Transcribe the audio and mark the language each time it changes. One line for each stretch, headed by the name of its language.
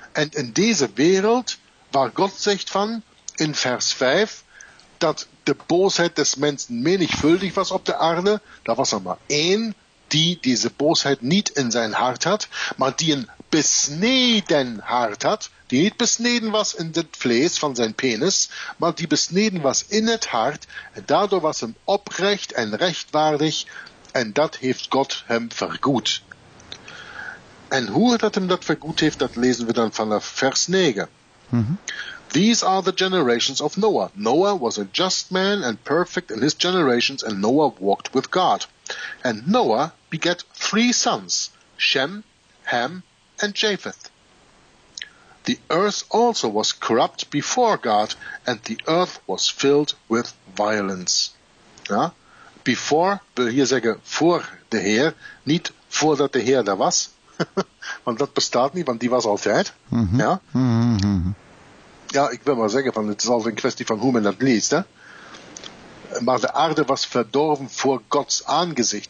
Dutch: En in deze wereld, waar God zegt van, in vers 5, dat de boosheid des mensen menigvuldig was op de aarde, daar was er maar één die deze boosheid niet in zijn hart had, maar die een besneden hart had, die niet besneden was in het vlees van zijn penis, maar die besneden was in het hart, en daardoor was hem oprecht en rechtvaardig, en dat heeft God hem vergoed. En hoe dat hem dat vergoed heeft, dat lezen we dan vanaf vers 9.
English: These are the generations of Noah. Noah was a just man and perfect in his generations, and Noah walked with God. And Noah begat 3 sons, Shem, Ham, and Japheth. The earth also was corrupt before God, and the earth was filled with violence.
Dutch: Ja? Before, wil hier zeggen voor de Heer, niet voordat de Heer daar was. Want dat bestaat niet, want die was altijd. Mm-hmm. Ja? Mm-hmm. Ja, ik wil maar zeggen, van, het is altijd een kwestie van hoe men dat leest. Hè? Maar de aarde was verdorven voor Gods aangezicht.